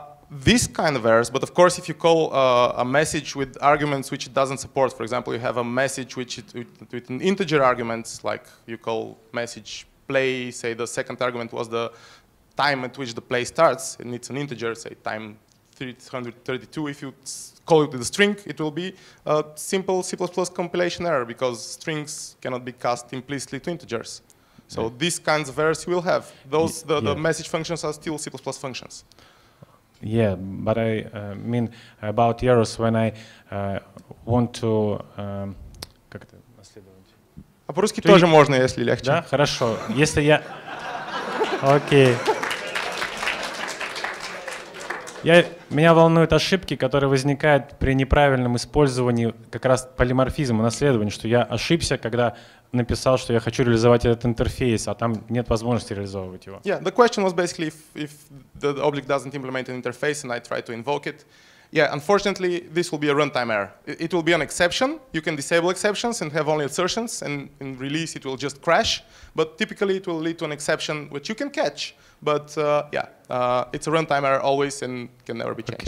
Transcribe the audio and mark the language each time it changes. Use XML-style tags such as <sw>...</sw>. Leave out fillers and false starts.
<en>This kind of errors, but of course if you call a message with arguments which it doesn't support, for example, you have a message which with an integer arguments, like you call message play, say the second argument was the time at which the play starts, and it's an integer, say time 332, if you call it with a string, it will be a simple C++ compilation error, because strings cannot be cast implicitly to integers. So yeah, these kinds of errors you will have. Those the message functions are still C++ functions. Yeah, but I mean about errors when I want to.</en> <ru>Как это последовать? А по-русски тоже можно, если легче. Да, хорошо. Если я. Окей. Меня волнуют ошибки, которые возникают при неправильном использовании как раз полиморфизма наследования, что я ошибся, когда написал, что я хочу реализовать этот интерфейс, а там нет возможности реализовывать его.</ru> <en>Yeah, the question was basically if the object doesn't implement an interface and I try to invoke it. Yeah, unfortunately, this will be a runtime error. It will be an exception. You can disable exceptions and have only assertions, and in release it will just crash. But typically it will lead to an exception which you can catch. But yeah, it's a runtime error always and can never be changed.</en>